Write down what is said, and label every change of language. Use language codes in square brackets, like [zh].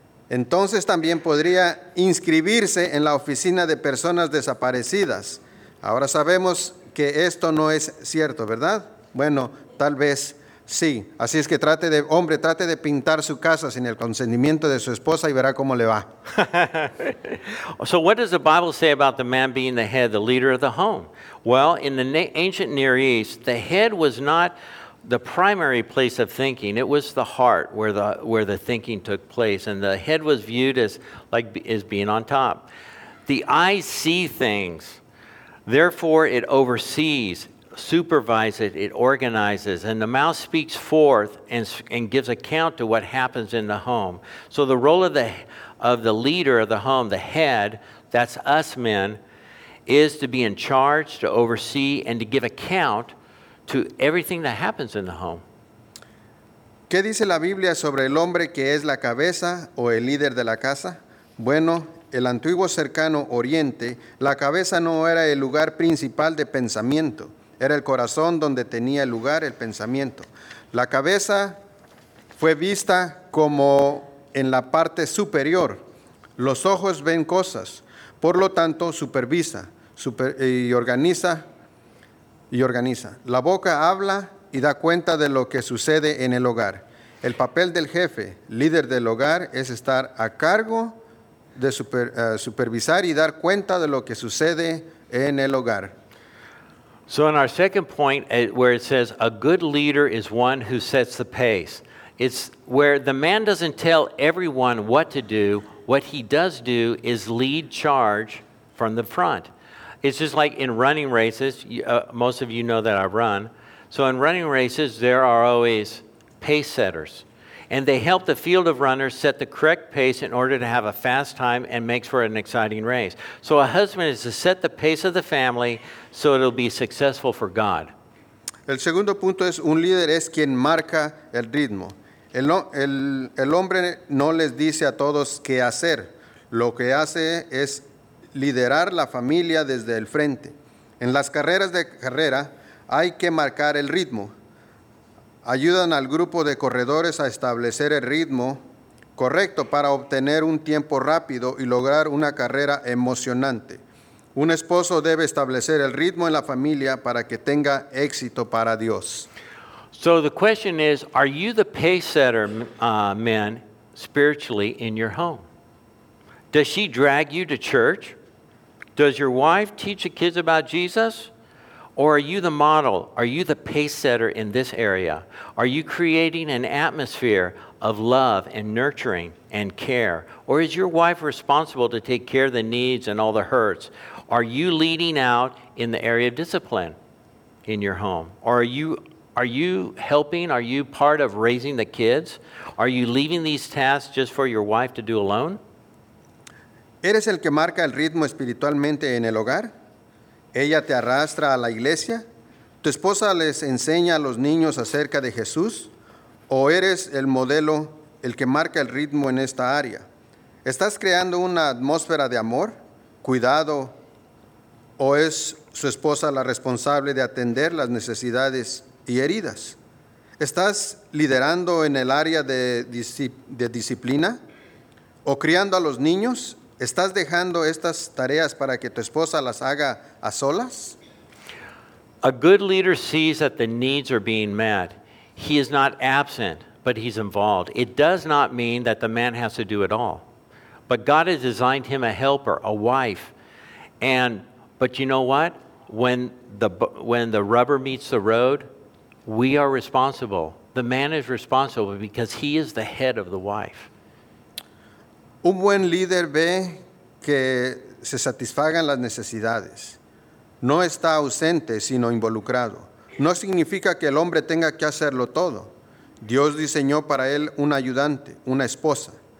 [es] Entonces también podría inscribirse en la oficina de personas desaparecidas. Ahora sabemos que esto no es cierto, ¿verdad? Bueno, tal vez sí. Así es que trate de, hombre, trate de pintar su casa sin el consentimiento de su esposa y verá cómo le va. [en] So what does the Bible say about the man being the head, the leader of the home? Well, in the ancient Near East, the head was not the primary place of thinking. It was the heart where the thinking took place. And the head was viewed as being on top. The eyes see things. Therefore, it oversees, supervises, it organizes. And the mouth speaks forth and gives account to what happens in the home. So the role of the leader of the home, the head, that's us men, is to be in charge, to oversee, and to give account to everything that happens in the home. [es] ¿Qué dice la Biblia sobre el hombre que es la cabeza o el líder de la casa? Bueno, el antiguo cercano Oriente, la cabeza no era el lugar principal de pensamiento. Era el corazón donde tenía lugar el pensamiento. La cabeza fue vista como en la parte superior. Los ojos ven cosas. Por lo tanto, supervisa y organiza. La boca habla y da cuenta de lo que sucede en el hogar. El papel del jefe, líder del hogar, es estar a cargo de supervisar y dar cuenta de lo que sucede en el hogar. [en] So in our second point, where it says, a good leader is one who sets the pace. It's where the man doesn't tell everyone what to do. What he does do is lead charge from the front. It's just like in running races, most of you know that I run. So in running races, there are always pace setters. And they help the field of runners set the correct pace in order to have a fast time and makes for an exciting race. So a husband is to set the pace of the family so it'll be successful for God. [es] El segundo punto es un líder es quien marca el ritmo. El hombre no les dice a todos qué hacer. Lo que hace es liderar la familia desde el frente. En las carreras de carrera hay que marcar el ritmo. Ayudan al grupo de corredores a establecer el ritmo correcto para obtener un tiempo rápido y lograr una carrera emocionante. Un esposo debe establecer el ritmo en la familia para que tenga éxito para Dios. [en] So the question is, are you the pace setter, man, spiritually in your home? Does she drag you to church? Does your wife teach the kids about Jesus? Or are you the model? Are you the pace setter in this area? Are you creating an atmosphere of love and nurturing and care? Or is your wife responsible to take care of the needs and all the hurts? Are you leading out in the area of discipline in your home? Or are you helping? Are you part of raising the kids? Are you leaving these tasks just for your wife to do alone? [es] ¿Eres el que marca el ritmo espiritualmente en el hogar? ¿Ella te arrastra a la iglesia? ¿Tu esposa les enseña a los niños acerca de Jesús? ¿O eres el modelo, el que marca el ritmo en esta área? ¿Estás creando una atmósfera de amor, cuidado? ¿O es su esposa la responsable de atender las necesidades y heridas? ¿Estás liderando en el área de disciplina? ¿O criando a los niños? ¿Estás dejando estas tareas para que tu esposa las haga a solas? [en] A good leader sees that the needs are being met. He is not absent, but he's involved. It does not mean that the man has to do it all. But God has designed him a helper, a wife. But you know what? When the rubber meets the road, we are responsible. The man is responsible because he is the head of the wife. [es] Un buen líder ve que se satisfagan las necesidades. No está ausente, sino involucrado. No significa que el hombre tenga que hacerlo todo. Dios diseñó para él un ayudante, una esposa.